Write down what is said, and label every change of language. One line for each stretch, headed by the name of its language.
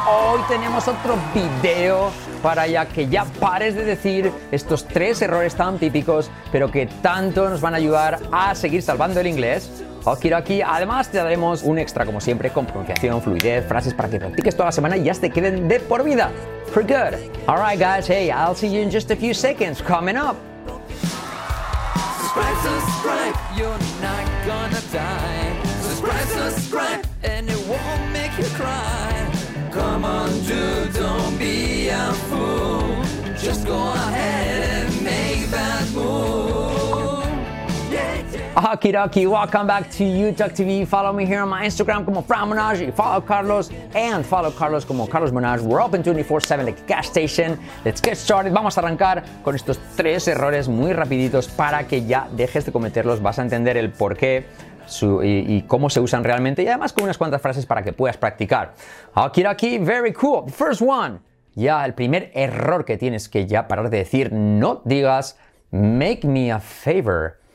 Spanish: Hoy tenemos otro video para ya que ya pares de decir estos tres errores tan típicos, pero que tanto nos van a ayudar a seguir salvando el inglés. Okidoki. Además, te daremos un extra, como siempre, con pronunciación, fluidez, frases para que practiques toda la semana y ya te queden de por vida.
English: For good. Alright, guys, hey, I'll see you in just a few seconds. Coming up. Subscribe, you're not gonna die. Subscribe, and it won't make you cry. Come on, dude, don't be a fool. Just go ahead and make that move. Yeah, yeah. Okie dokie, welcome back to Utah TV. Follow me here on my Instagram como Fran Monaj. Follow Carlos and follow Carlos como Carlos Monaj. We're open 24/7 like gas station. Let's get started.
Spanish: Vamos a arrancar con estos tres errores muy rapiditos para que ya dejes de cometerlos. Vas a entender el porqué. Y cómo se usan realmente, y además con unas cuantas frases para que puedas practicar. Okidoki,
English: very cool. First one.
Spanish: Ya, el primer error que tienes que ya parar de decir, no digas
English: make me a favor.